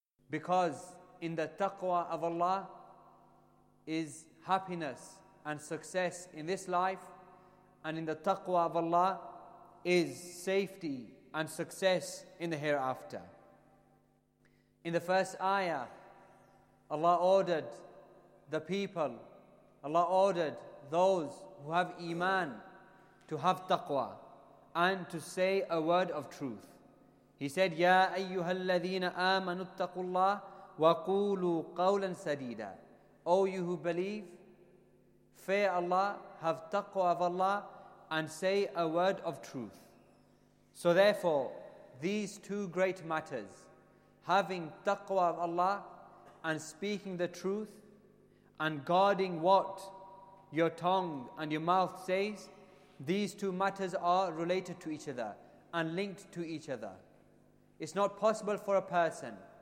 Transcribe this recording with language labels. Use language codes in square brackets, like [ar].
[en] Because in the taqwa of Allah is happiness and success in this life, and in the taqwa of Allah is safety and success in the hereafter. In the first ayah, Allah ordered the people, Allah ordered those who have iman to have taqwa and to say a word of truth. He said, [ar] يَا أَيُّهَا الَّذِينَ آمَنُوا اتَّقُوا اللَّهِ وَقُولُوا قَوْلًا سَدِيدًا. [en] O you who believe, fear Allah, have taqwa of Allah, and say a word of truth. So therefore, these two great matters, having taqwa of Allah and speaking the truth and guarding what your tongue and your mouth says, these two matters are related to each other and linked to each other. It's not possible for a person